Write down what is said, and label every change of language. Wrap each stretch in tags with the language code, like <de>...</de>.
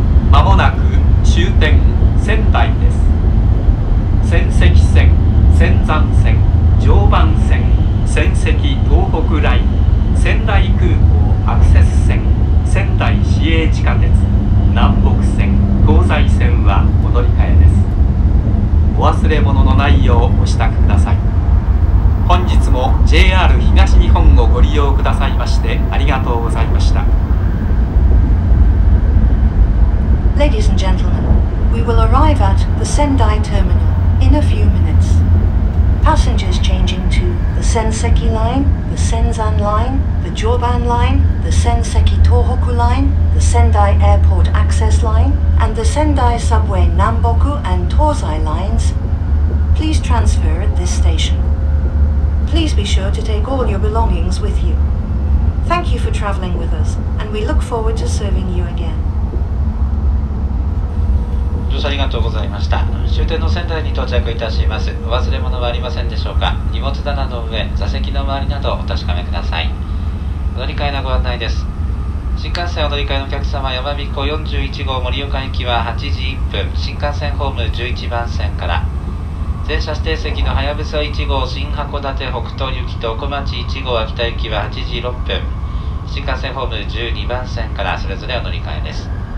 <ja>まもなく終点仙台です。仙石線、仙山線、常磐線、仙石東北ライン、仙台空港アクセス線、仙台市営地下鉄、南北線、東西線はお乗り換えです。お忘れ物のないようお支度ください。本日も JR 東日本をご利用くださいましてありがとうございました。</ja> <en>Ladies and gentlemen, we will arrive at the Sendai Terminal in a few minutes. Passengers changing to the Senseki Line, the Senzan Line, the Joban Line, the Senseki Tohoku Line, the Sendai Airport Access Line, and the Sendai Subway Namboku and Tozai Lines, please transfer at this station. Please be sure to take all your belongings with you. Thank you for traveling with us, and we look forward to serving you again.</en> <ja>ありがとうございました。終点の仙台に到着いたします。お忘れ物はありませんでしょうか。荷物棚の上、座席の周りなどお確かめください。乗り換えのご案内です。新幹線お乗り換えのお客様、やまびこ41号盛岡駅は8時1分新幹線ホーム11番線から、全車指定席のはやぶさ1号新函館北東行きと小町1号秋田行きは8時6分新幹線ホーム12番線からそれぞれお乗り換えです。</ja>